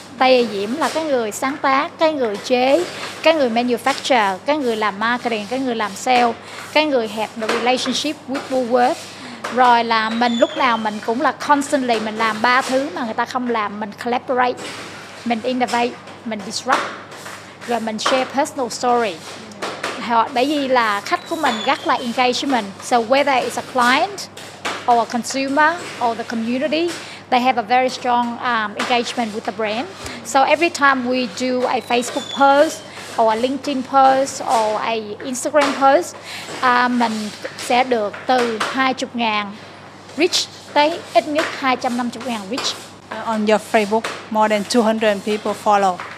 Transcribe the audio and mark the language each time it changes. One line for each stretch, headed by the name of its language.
Vietnamese: Tại Diễm là cái người sáng tác, cái người chế, cái người manufacture, cái người làm marketing, cái người làm sale, cái người have the relationship with Woolworths. Rồi là mình lúc nào mình cũng là constantly mình làm ba thứ mà người ta không làm. Mình collaborate, mình innovate, mình disrupt. Rồi mình share personal story. Bởi vì là khách của mình rất là engagement.
English: So whether it's a client, or a consumer, or the community, they have a very strong engagement with the brand. So every time we do a Facebook post, or a LinkedIn post, or a Instagram post, mình sẽ được từ 20,000 reach tới ít nhất 250,000 reach. On your Facebook, more than 200 people follow.